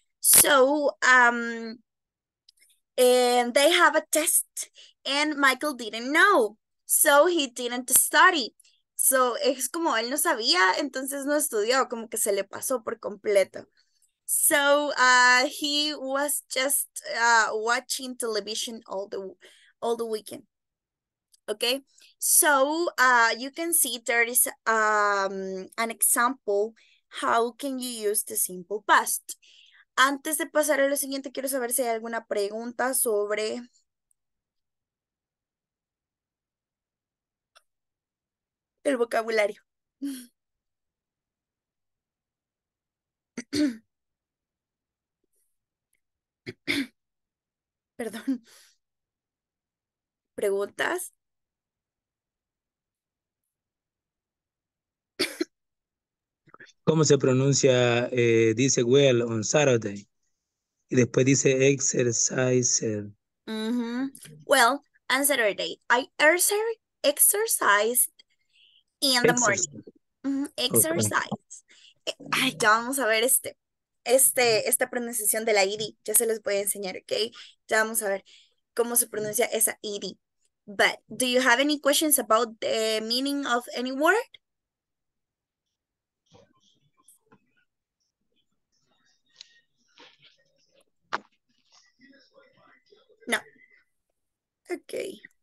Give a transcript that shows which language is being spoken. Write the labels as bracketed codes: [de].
[en] So and they have a test, and Michael didn't know. So he didn't study. [es] So, es como él no sabía, entonces no estudió, como que se le pasó por completo. [en] So, he was just watching television all the weekend. Okay? So, you can see there is an example how can you use the simple past. [es] Antes de pasar a lo siguiente, quiero saber si hay alguna pregunta sobre... el vocabulario. Perdón. ¿Preguntas? ¿Cómo se pronuncia? Dice [en] well on Saturday. [es] Y después dice exercise. [en] Well, on Saturday. I exercise. In the exercise. Morning. Mm-hmm. Exercise. [es] Okay. Ya vamos a ver esta pronunciación de la ED. Ya se les voy a enseñar, ¿ok? Ya vamos a ver cómo se pronuncia esa ED. [en] But, do you have any questions about the meaning of any word? Okay.